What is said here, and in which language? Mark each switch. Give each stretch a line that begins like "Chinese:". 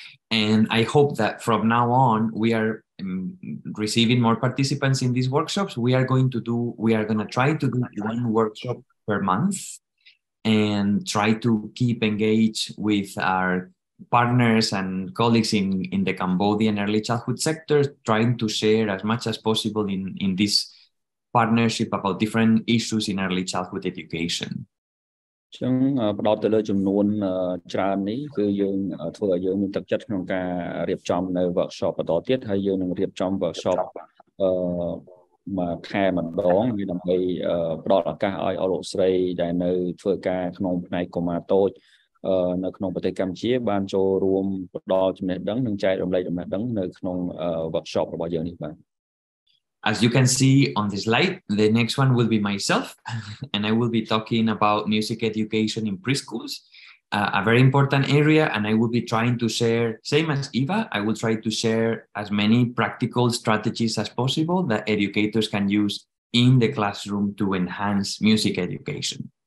English: And I hope that from now on we are receiving more participants in these workshops we are going to try to do one workshop per monthand try to keep engaged with our partners and colleagues in the Cambodian early childhood sector, trying to share as much as possible in this partnership about different issues in early childhood education.
Khmer: ចឹងផ្ដោតទៅលើចំនួនច្រើននេះគឺយើងធ្វើឲ្យយើងមានទឹកចិត្តក្នុងការរៀបចំនៅ workshop បន្តទៀតហើយយើងនឹងរៀបចំ workshop មកខែម្ដងវាដើម្បីផ្ដល់ឱកាសឲ្យអរុស្រីដែលនៅធ្វើការក្នុងផ្នែកកុមារតូចនៅក្នុងប្រទេសកម្ពុជាបានចូលរួមផ្ដល់ចំណេះដឹងនិងចែករំលែកចំណេះដឹងនៅក្នុង workshop របស់យើងនេះបាទ
English: As you can see on this slide the next one will be myself and I will be talking about music education in preschools a very important area and I will be trying to share same as Eva I will try to share as many practical strategies as possible that educators can use in the classroom to enhance music education